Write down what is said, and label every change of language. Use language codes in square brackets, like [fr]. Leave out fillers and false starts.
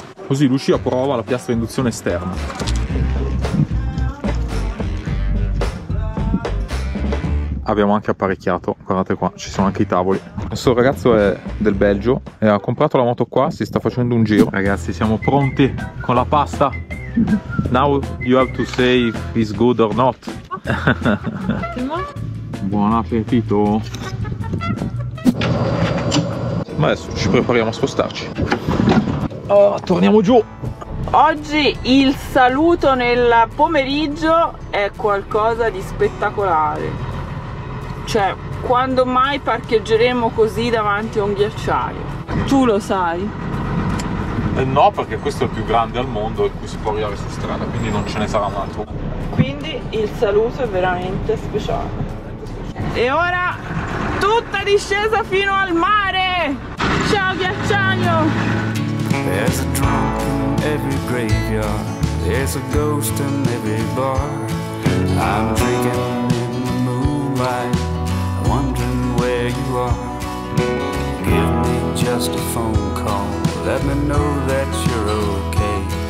[it] Così Lucia prova la piastra di induzione esterna. Abbiamo anche apparecchiato, guardate qua, ci sono anche i tavoli. Questo ragazzo è del Belgio e ha comprato la moto qua, si sta facendo un giro. Ragazzi, siamo pronti con la pasta. [en] Now you have to say if it's good or not. [it] Buon appetito. Ma adesso ci prepariamo a spostarci. Oh, torniamo giù. Oggi il saluto nel pomeriggio è qualcosa di spettacolare. Cioè, quando mai parcheggeremo così davanti a un ghiacciaio? Tu lo sai? No, perché questo è il più grande al mondo e qui si può arrivare su strada, quindi non ce ne sarà un altro. Quindi il saluto è veramente speciale. E ora tutta discesa fino al mare! Ciao ghiacciaio! [en] There's a drunk in every graveyard, there's a ghost in every bar. I'm drinking in the moonlight, wondering where you are. Give me just a phone call, let me know that you're okay.